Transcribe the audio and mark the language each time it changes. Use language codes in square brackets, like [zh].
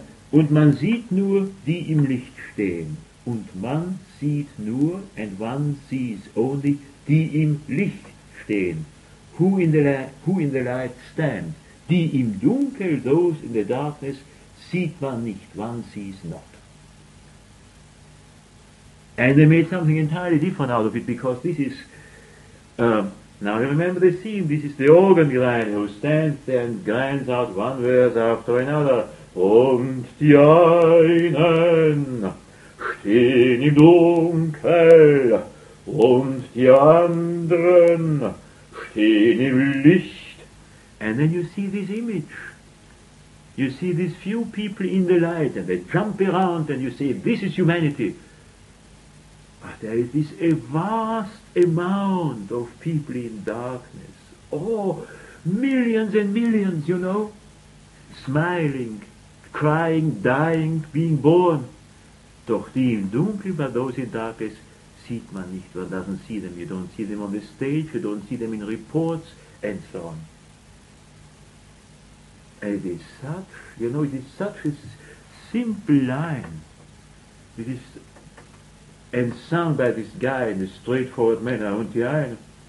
[de] Und man sieht nur, die im Licht stehen. Und man sieht nur, [en] and one sees only, [de] die im Licht stehen. [en] Who in the light stand. [de] Die im Dunkel, [en] those in the darkness, [de] sieht man nicht. [en] One sees not. And they made something entirely different out of it, because this is... Now you remember the scene, this is the organ grinder who stands there and grinds out one verse after another. [de] Und die einen stehen im Dunkel, und die anderen stehen im Licht. [en] And then you see this image. You see these few people in the light, and they jump around, and you say, this is humanity. But there is this a vast amount of people in darkness. Oh, millions and millions, you know, smiling, crying, dying, being born. [de] Doch die im Dunkel, [en] but those in darkness, [de] sieht man nicht. [en] One doesn't see them. You don't see them on the stage, you don't see them in reports, and so on. And it is such, you know, it is such a simple line. It is, and sung by this guy in a straightforward manner, [de] und die einen.